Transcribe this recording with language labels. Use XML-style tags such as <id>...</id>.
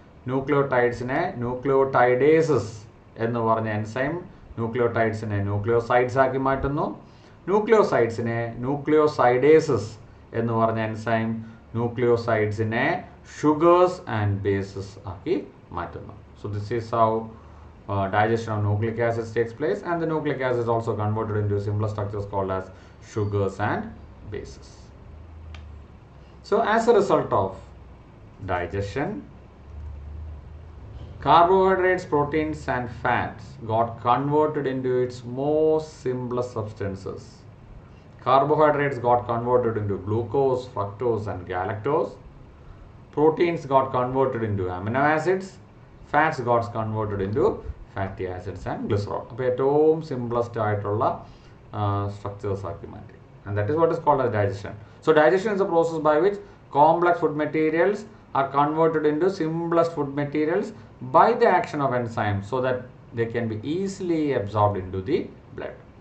<ml>ന്യൂക്ലിയോടൈഡ്സിനെ ന്യൂക്ലിയോടൈഡേസസ് എന്ന് പറഞ്ഞ enzyme ന്യൂക്ലിയോടൈഡ്സിനെ nucleosides ആക്കി മാറ്റുന്നു. ന്യൂക്ലിയോസൈഡ്സിനെ ന്യൂക്ലിയോസൈഡേസസ് എന്ന് പറഞ്ഞ എൻസൈം ന്യൂക്ലിയോസൈഡ്സിനെ ഷുഗേഴ്സ് ആൻഡ് ബേസസ് ആക്കി മാറ്റുന്നു.</ml> <en>So this is how digestion of nucleic acids takes place, and the nucleic acids also converted into simpler structures called as sugars and bases. So as a result of digestion, carbohydrates, proteins and fats got converted into its most simplest substances. Carbohydrates got converted into glucose, fructose and galactose. Proteins got converted into amino acids. Fats got converted into fatty acids and glycerol.</en> <ml>അപ്പോൾ ഏറ്റവും simplest ആയിട്ടുള്ള structures ആക്കി മാറ്റി.</ml> <en>And that is what is called as digestion. So digestion is a process by which complex food materials are converted into simplest food materials by the action of enzyme so that the can be easily absorbed into the blood.</en>